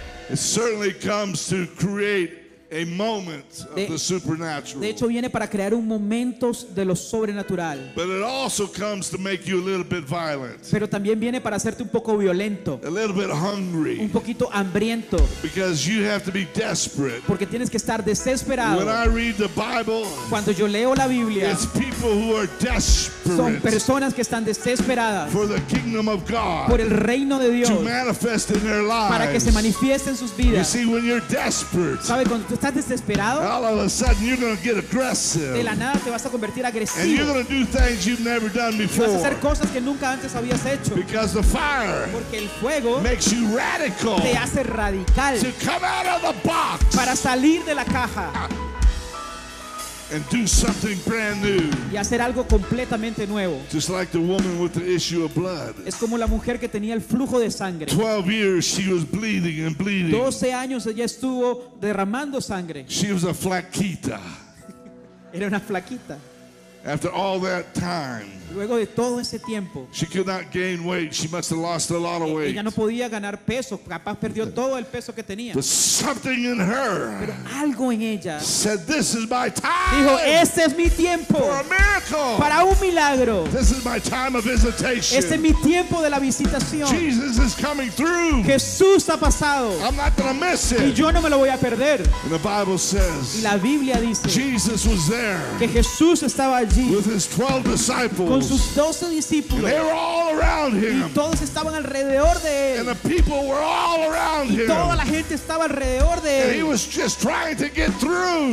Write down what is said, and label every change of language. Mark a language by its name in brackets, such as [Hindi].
[English] It certainly comes to create a moment of the supernatural. [Spanish] De hecho viene para crear un momento de lo sobrenatural. [English] But it also comes to make you a little bit violent. [Spanish] Pero también viene para hacerte un poco violento. [English] A little bit hungry. [Spanish] Un poquito hambriento. [English] Because you have to be desperate. [Spanish] Porque tienes que estar desesperado. [English] When I read the Bible. [Spanish] Cuando yo leo la Biblia. [English] It's people who are desperate. [Spanish] Son personas que están desesperadas. [English] For the kingdom of God. [Spanish] Por el reino de Dios. [English] To manifest in their lives. [Spanish] Para que se manifieste en sus vidas. [English] You see, when you're desperate. [Spanish] ¿Sabe cuando estás desesperado? [English] All of a sudden you're going to get aggressive. [Spanish] De la nada te vas a convertir agresivo. [English] And you're going to do things you've never done before. [Spanish] Y vas a hacer cosas que nunca antes habías hecho. [English] Because the fire. [Spanish] Porque el fuego. [English] Makes you radical. [Spanish] Te hace radical. [English] To come out of the box. [Spanish] Para salir de la caja. [English] And do something brand new. [Spanish] Y hacer algo completamente nuevo. [English] Just like the woman with the issue of blood. [Spanish] Es como la mujer que tenía el flujo de sangre. [English] 12 years she was bleeding and bleeding. [Spanish] 12 años ella estuvo derramando sangre. [English] She was a flaquita. [Spanish] Era una flaquita. [English] After all that time. [Spanish] Luego de todo ese tiempo. [English] She could not gain weight. She must have lost a lot of weight. [Spanish] Ella no podía ganar peso. Capaz perdió todo el peso que tenía. [English] But something in her. [Spanish] Pero algo en ella. [English] Said, "This is my time." [Spanish] Dijo, "Este es mi tiempo." [English] For a miracle. [Spanish] Para un milagro. [English] This is my time of visitation. [Spanish] Este es mi tiempo de la visitación. [English] Jesus is coming through. [Spanish] Jesús ha pasado. [English] I'm not gonna miss it. [Spanish] Y yo no me lo voy a perder. [English] And the Bible says. [Spanish] Y la Biblia dice. [English] Jesus was there. [Spanish] Que Jesús estaba allí. allí [English] with his 12 disciples, [Spanish] con sus 12 discípulos, [English] and they were all around him, [Spanish] y todos estaban alrededor de él, [English] and the people were all around [Spanish] y toda la gente estaba alrededor de él, [English] and he was just trying to get through,